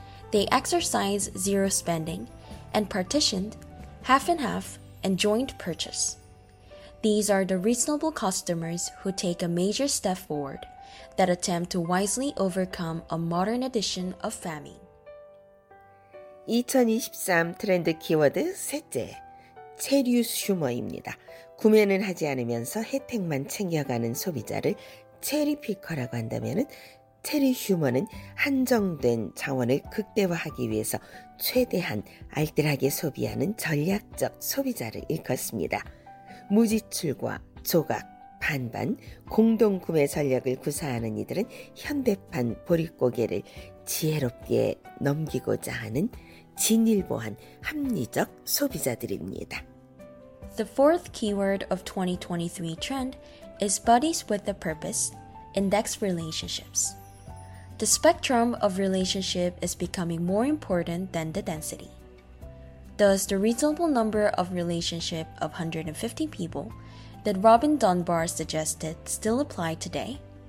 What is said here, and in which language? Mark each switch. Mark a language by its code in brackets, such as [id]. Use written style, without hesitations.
[en] They exercise zero spending and partitioned, half and half, and joint purchase. These are the reasonable customers who take a major step forward that attempt to wisely overcome a modern edition of famine. [ko] 2023 트렌드 키워드 셋째, 체류 슈머입니다. 구매는 하지 않으면서 혜택만 챙겨가는 소비자를 체리피커라고 한다면 체리 슈머는 한정된 자원을 극대화하기 위해서 최대한 알뜰하게 소비하는 전략적 소비자를 일컫습니다. 무지출과 조각, 반반, 공동구매 전략을 구사하는 이들은 현대판 보릿고개를 지혜롭게 넘기고자 하는 진일보한 합리적 소비자들입니다. [en] The fourth keyword of 2023 trend is buddies with a purpose, index relationships. The spectrum of relationship is becoming more important than the density. Thus, the reasonable number of relationship of 150 people that Robin Dunbar suggested still apply today?